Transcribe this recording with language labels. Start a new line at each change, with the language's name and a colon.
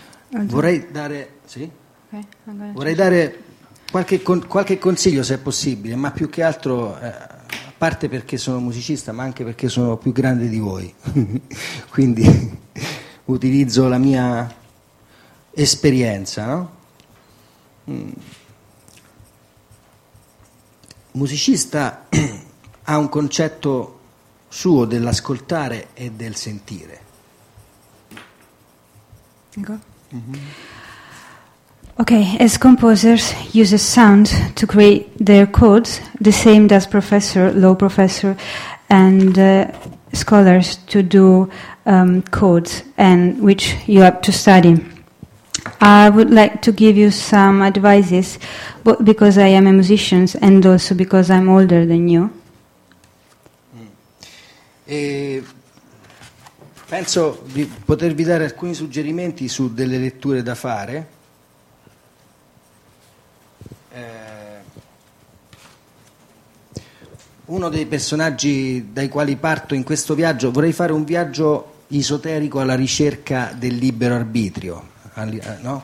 Italian: Vorrei dare qualche consiglio, se è possibile, ma più che altro, a parte perché sono musicista, ma anche perché sono più grande di voi, quindi utilizzo la mia esperienza, no? Musicista ha un concetto suo dell'ascoltare e del sentire.
English: Okay, as composers use sound to create their codes, the same does professor, law professor, and scholars to do codes, and which you have to study. I would like to give you some advices, but because I am a musician and also because I'm older than you.
Italian: E penso di potervi dare alcuni suggerimenti su delle letture da fare. Uno dei personaggi dai quali parto in questo viaggio, vorrei fare un viaggio esoterico alla ricerca del libero arbitrio, no?